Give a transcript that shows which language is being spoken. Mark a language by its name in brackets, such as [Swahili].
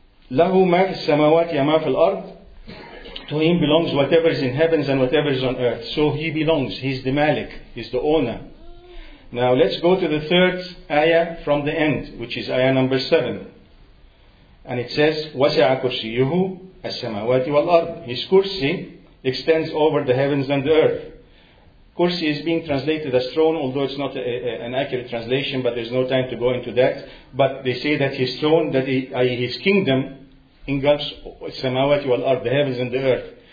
[Arabic] لَهُ مَا فِي السَّمَوَاتِ يَمَا فِي الْأَرْضِ. [English] To Him belongs whatever is in heavens and whatever is on earth. So He belongs. He's the Malik. He's the owner. Now let's go to the third ayah from the end, which is ayah number seven. And it says, [Arabic] وَسِعَ كُرْسِيُّهُ السَّمَوَاتِ وَالْأَرْضِ. [English] His kursi extends over the heavens and the earth. Kursi is being translated as throne, although it's not an accurate translation, but there's no time to go into that. But they say that His throne, that His kingdom, engulfs [Arabic] samawati wal ard, [English] the heavens and the earth.